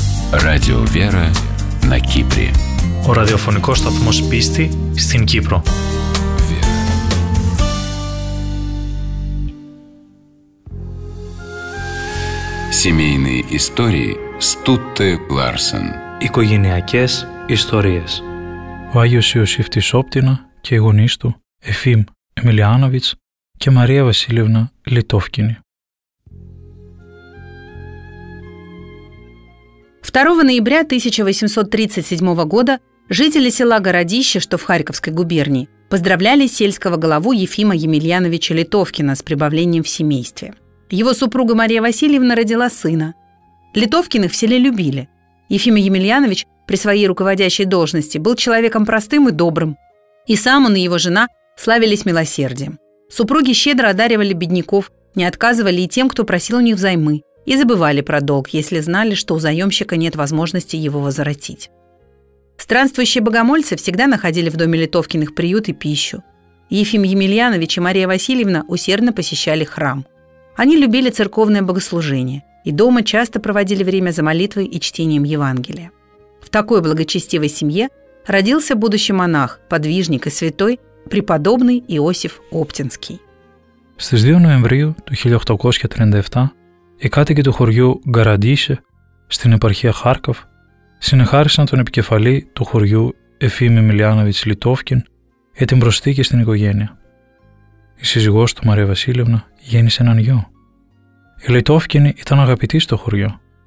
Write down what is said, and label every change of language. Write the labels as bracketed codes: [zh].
[ru] Radio Vera на Кипре. [el] Ο ραδιοφωνικός σταθμός πίστη στην Κύπρο. [ru] Семейные истории Стутте Ларсен. [el] Οικογενειακές ιστορίες. Ο Άγιος Ιωσήφτης Όπτινα και οι γονείς του, Εφήμ Εμιλιάνοβιτς και Μαρία Βασίλευνα Λιτόφκινη. [ru] 2 ноября 1837 года жители села Городище, что в Харьковской губернии, поздравляли сельского главу Ефима Емельяновича Литовкина с прибавлением в семействе. Его супруга Мария Васильевна родила сына. Литовкиных в селе любили. Ефим Емельянович при своей руководящей должности был человеком простым и добрым. И сам он и его жена славились милосердием. Супруги щедро одаривали бедняков, не отказывали и тем, кто просил у них взаймы, и забывали про долг, если знали, что у заемщика нет возможности его возвратить. Странствующие богомольцы всегда находили в доме Литовкиных приют и пищу. Ефим Емельянович и Мария Васильевна усердно посещали храм. Они любили церковное богослужение и дома часто проводили время за молитвой и чтением Евангелия. В такой благочестивой семье родился будущий монах, подвижник и святой преподобный Иосиф Оптинский. [el] Στις 2 Νοεμβρίου του 1837, οι κάτοικοι του χωριού Γκαραντίσε, στην επαρχία Χάρκοφ, συνεχάρισαν τον επικεφαλή του χωριού Εφήμη Μιλιάνοβιτς Λιτόφκιν για την προσθήκη στην οικογένεια. Η σύζυγός του, Μαρία Βασίλευνα, γέννησε έναν γιο. Η Λιτόφκινη ήταν αγαπητή στο χωριό.